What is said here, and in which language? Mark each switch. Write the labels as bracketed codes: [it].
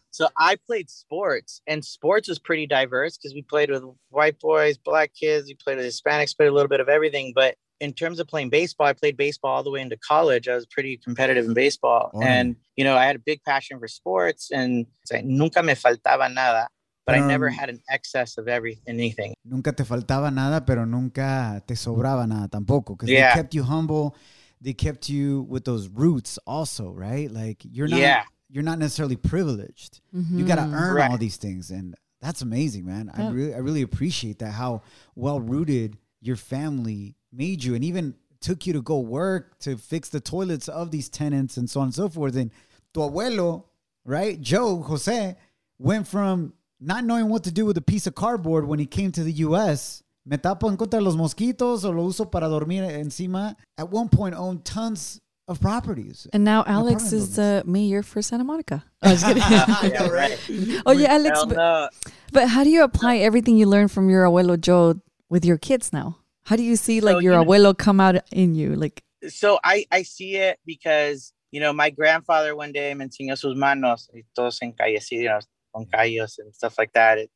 [en] So I played sports and sports was pretty diverse because we played with white boys, black kids. We played with Hispanics, played a little bit of everything, but in terms of playing baseball, I played baseball all the way into college. I was pretty competitive in baseball. Mm. And, you know, I had a big passion for sports and [es] nunca me faltaba nada, [en] but I never had an excess of anything. [es] Nunca te faltaba nada, pero nunca te sobraba nada tampoco. [en] Because they kept you humble. They kept you with those roots also, right? Like you're not necessarily privileged. Mm-hmm. You got to earn all these things. And that's amazing, man. Yeah. I really appreciate that, how well-rooted your family made you and even took you to go work to fix the toilets of these tenants and so on and so forth. And [es] tu abuelo, [en] right, Joe Jose, went from not knowing what to do with a piece of cardboard when he came to the U.S. [es] Me tapo en contra los mosquitos o lo uso para dormir encima. [en] At one point, owned tons of properties. And now Alex is the mayor for Santa Monica. Oh, I was kidding. Yeah, right. Oh, yeah, Alex. But how do you apply everything you learned from your abuelo Joe with your kids now? How do you see abuelo come out in you? So I see it because, you know, my grandfather one day [es] me enseñó sus manos y todos encallecidos, con callos [en] and stuff like that.